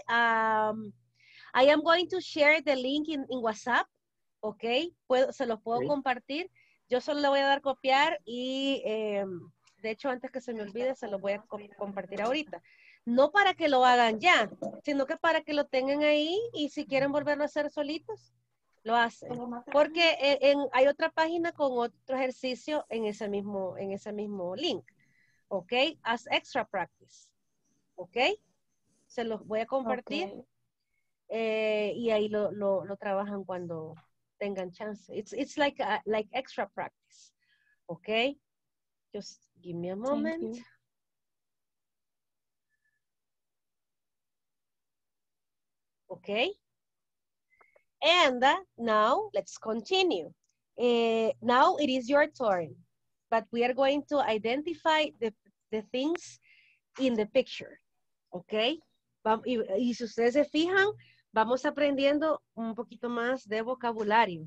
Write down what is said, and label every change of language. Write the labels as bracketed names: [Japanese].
[English] I am going to share the link in WhatsApp. [Spanish] Okay, se los puedo compartir. Yo solo le voy a dar copiar y de hecho, antes que se me olvide, se los voy a compartir ahorita. No para que lo hagan ya, sino que para que lo tengan ahí y si quieren volverlo a hacer solitos, lo hacen. Porque hay otra página con otro ejercicio en ese mismo link. Ok, [English] as extra practice. [Spanish] Ok, se los voy a compartir. Okay. Y ahí lo trabajan cuando tengan chance. [English] It's like extra practice. Ok, just give me a moment. Okay, and now let's continue. Now it is your turn, but we are going to identify the things in the picture. [Spanish] Okay, y si ustedes se fijan, vamos aprendiendo un poquito más de vocabulario.